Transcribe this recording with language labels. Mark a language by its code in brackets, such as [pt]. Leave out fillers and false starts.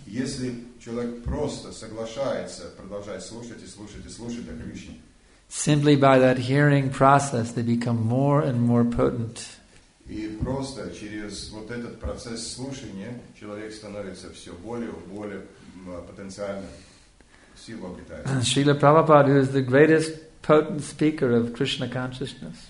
[ru] Если человек просто соглашается продолжать слушать и слушать и слушать о Кришне. [en] Simply by that hearing process, they become more and more potent. [ru] И просто через вот этот процесс слушания человек становится все более и более потенциальным. Силу обретает. [en] Шрила Прабхупада, who is the greatest potent speaker of Krishna consciousness.